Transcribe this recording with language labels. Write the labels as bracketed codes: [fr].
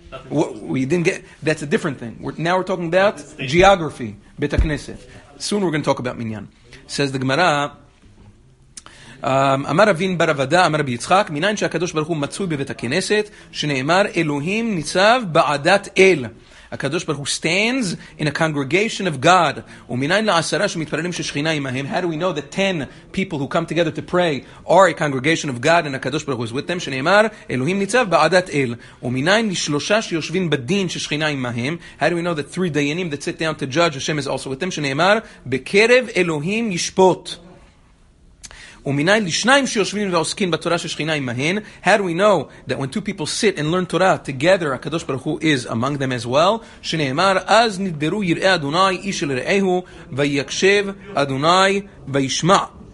[en] We didn't get, that's a different thing. Now we're talking about geography, Beit HaKnesset. Soon we're going to talk about Minyan. Says the Gemara, [he] אמר רבין ברבדה, אמר ביצחק, מניין שהקדוש ברוך הוא מצוי בבית הכנסת, שנאמר, אלוהים ניצב בעדת אל. [en] הקדוש ברוך הוא stands in a congregation of God. [he] ומניין לעשרה שמתפללים ששכינה עמהם. [en] How do we know that 10 people who come together to pray are a congregation of God and הקדוש ברוך הוא is with them? [he] שנאמר, אלוהים ניצב בעדת אל. ומניין לשלושה שיושבים בדין ששכינה עמהם. [en] How do we know that 3 דיינים that sit down to judge, השם is also with them? [he] שנאמר, בקרב אלוהים ישפוט. ומניין לשניים שיושבים ועוסקים בתורה ששכינה עמהן. [en] How do we know that when 2 people sit and learn Torah together, הקדוש ברוך הוא is among them as well? [he] שנאמר, אז נדברו יראי אדוני איש אל רעהו, ויקשב אדוני וישמע.